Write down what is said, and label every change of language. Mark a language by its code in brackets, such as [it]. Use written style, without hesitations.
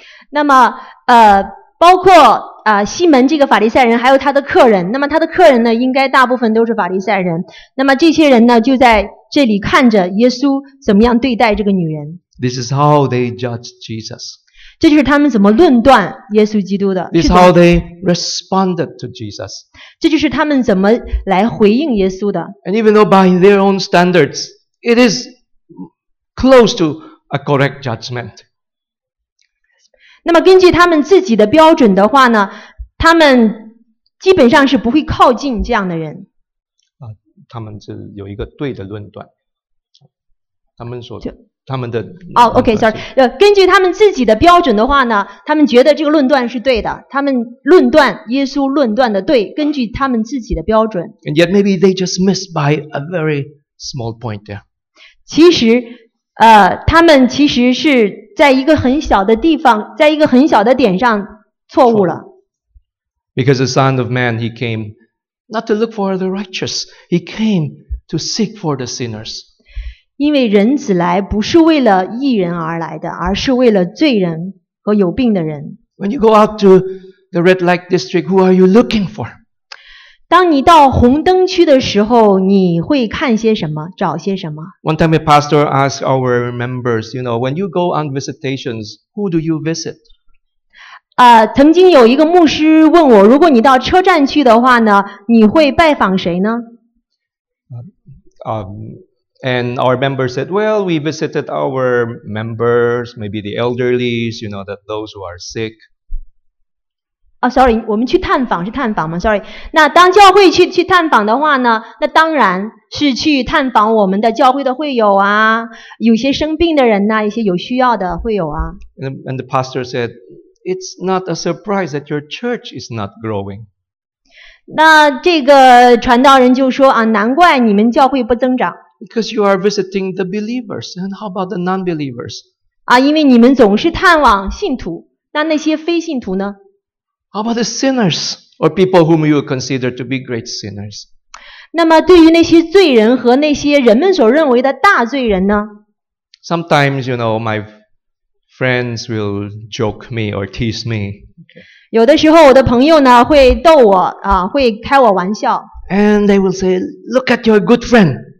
[zh] 那么，包括西门这个法利赛人，还有他的客人。那么他的客人呢，应该大部分都是法利赛人。那么这些人呢，就在这里看着耶稣怎么样对待这个女人。 [en] This is how they judge Jesus. [zh] 这就是他们怎么论断耶稣基督的。 [en] This is how they responded to Jesus. [zh] 这就是他们怎么来回应耶稣的。 [en] And even though by their own standards, it is close to a correct judgment. [zh] 那么根据他们自己的标准的话呢，他们基本上是不会靠近这样的人。他们是有一个对的论断。他们所他们的哦、 [en] oh, ，OK， sorry， [zh] 根据他们自己的标准的话呢，他们觉得这个论断是对的，他们论断耶稣论断的对，根据他们自己的标准。 [en] And yet maybe they just missed by a very small point there. [zh] 其实，他们其实是在一个很小的地方，在一个很小的点上错误了。 [en] Because the Son of Man he came not to look for the righteous, he came to seek for the sinners. [zh] 因为人子来不是为了义人而来的，而是为了罪人和有病的人。 [en] When you go out to the red light district, who are you looking for? [zh] 当你到红灯区的时候，你会看些什么，找些什么？ [en] One time a pastor asked our members, you know, when you go on visitations, who do you visit? [zh] 曾经有一个牧师问我，如果你到车站去的话呢，你会拜访谁呢？ [en] And our members said, well, we visited our members, maybe the elderly, you know, that those who are sick. Oh, sorry, [zh] 我们去探访是探访吗 ？ [en] Sorry, [zh] 那当教会去探访的话呢，那当然是去探访我们的教会的会友啊，有些生病的人呐、啊，一些有需要的会友啊。 [en] And the pastor said, it's not a surprise that your church is not growing. [zh] 那这个传道人就说啊，难怪你们教会不增长。 [en] Because you are visiting the believers, and how about the non-believers? [zh] 啊，因为你们总是探望信徒，那那些非信徒呢 [en] ？How about the sinners or people whom you consider to be great sinners? [zh] 那么，对于那些罪人和那些人们所认为的大罪人呢 [en] ？Sometimes, you know, my friends will joke me or tease me. [zh] 有的时候，我的朋友呢会逗我啊，会开我玩笑。 [en] And they will say, "Look at your good friend."